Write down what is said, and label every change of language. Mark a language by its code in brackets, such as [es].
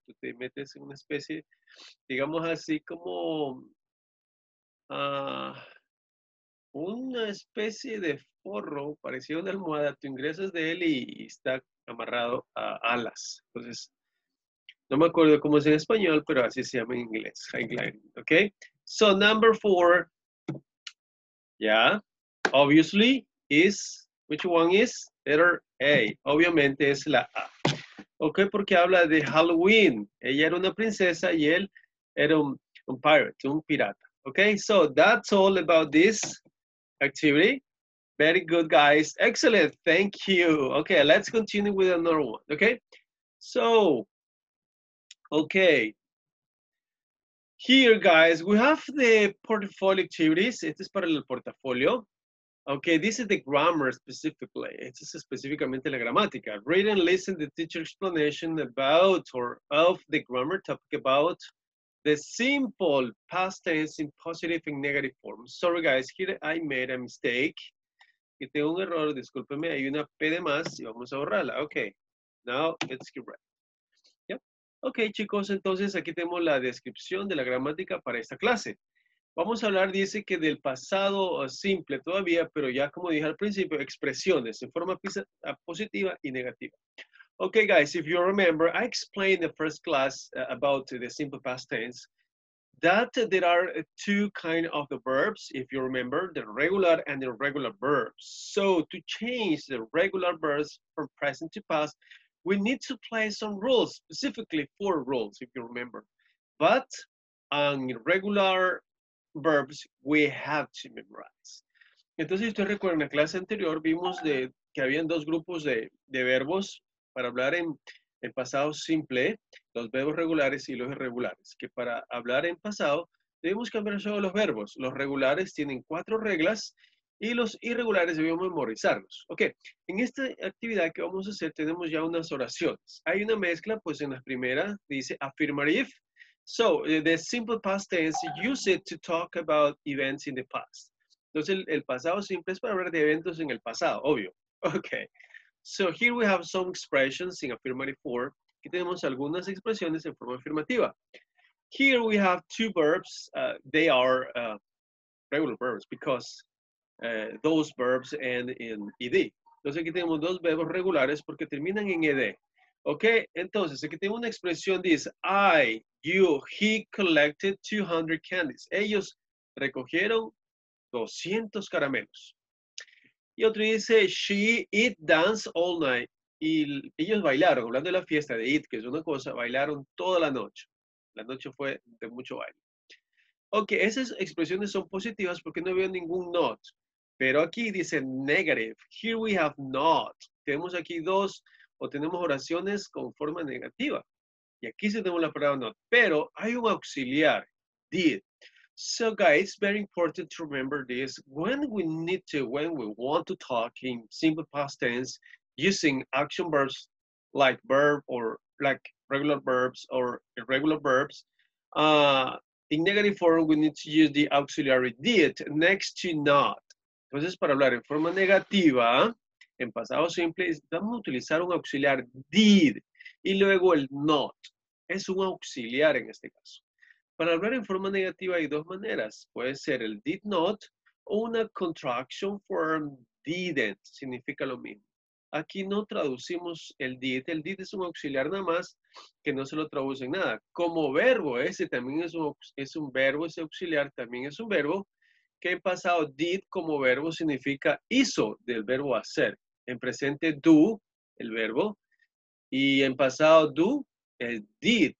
[es] Tú te metes en una especie, digamos así, como una especie de forro, parecido a una almohada. Tú ingresas de él y está amarrado a alas. Entonces, no me acuerdo cómo es en español, pero así se llama en inglés, hang gliding, ¿ok? [en] So, number four, yeah, obviously, is, which one is? Letter A. [es] Obviamente es la A. Ok, porque habla de Halloween. Ella era una princesa y él era un pirate, un pirata. [en] Ok, so that's all about this activity. Very good, guys. Excellent. Thank you. Ok, let's continue with another one. Ok, so, ok. Here, guys, we have the portfolio activities. [es] Este es para el portafolio. [en] Okay, this is the grammar specifically. [es] Este es específicamente la gramática. [en] Read and listen to the teacher explanation about or of the grammar topic about the simple past tense in positive and negative form. Sorry, guys, here I made a mistake. [es] Que tengo un error, discúlpeme, hay una P de más y vamos a borrarla. [en] Okay, now let's get right. [es] Ok, chicos, entonces aquí tenemos la descripción de la gramática para esta clase. Vamos a hablar, dice que del pasado simple todavía, pero ya como dije al principio, expresiones en forma positiva y negativa. [en] Ok, guys, if you remember, I explained in the first class about the simple past tense that there are two kind of the verbs, if you remember, the regular and the irregular verbs. So to change the regular verbs from present to past, we need to play some rules, specifically four rules, if you remember. But on irregular verbs, we have to memorize. [es] Entonces, ustedes recuerdan, en la clase anterior vimos de, que habían dos grupos de verbos para hablar en el pasado simple, los verbos regulares y los irregulares. Que para hablar en pasado, debemos cambiar solo los verbos. Los regulares tienen cuatro reglas. Y los irregulares debemos memorizarlos. Ok, en esta actividad que vamos a hacer tenemos ya unas oraciones. Hay una mezcla, pues en la primera dice affirmative. [en] So, the simple past tense, use it to talk about events in the past. [es] Entonces, el pasado simple es para hablar de eventos en el pasado, obvio. [en] Ok, so here we have some expressions in affirmative form. [es] Aquí tenemos algunas expresiones en forma afirmativa. [en] Here we have two verbs. They are regular verbs because those verbs end in ed. [es] Entonces aquí tenemos dos verbos regulares porque terminan en ed. Ok, entonces aquí tengo una expresión, dice [en] I, you, he collected 200 candies. [es] Ellos recogieron 200 caramelos. Y otro dice, [en] she eat dance all night. [es] Y ellos bailaron, hablando de la fiesta de eat, que es una cosa, bailaron toda la noche. La noche fue de mucho baile. Ok, esas expresiones son positivas porque no veo ningún not. Pero aquí dice negative. [en] Here we have not. [es] Tenemos aquí dos, o tenemos oraciones con forma negativa. Y aquí sí tenemos la palabra not. Pero hay un auxiliar, did. [en] So guys, it's very important to remember this. When we need to, when we want to talk in simple past tense, using action verbs like verb or like regular verbs or irregular verbs, in negative form, we need to use the auxiliary did next to not. [es] Entonces, para hablar en forma negativa, en pasado simple, vamos a utilizar un auxiliar did y luego el not. Es un auxiliar en este caso. Para hablar en forma negativa hay dos maneras. Puede ser el did not o una contraction form didn't. Significa lo mismo. Aquí no traducimos el did. El did es un auxiliar nada más que no se lo traduce en nada. Como verbo, ese también es un verbo, ese auxiliar también es un verbo. Que en pasado did como verbo significa hizo del verbo hacer. En presente do, el verbo. Y en pasado do, el did.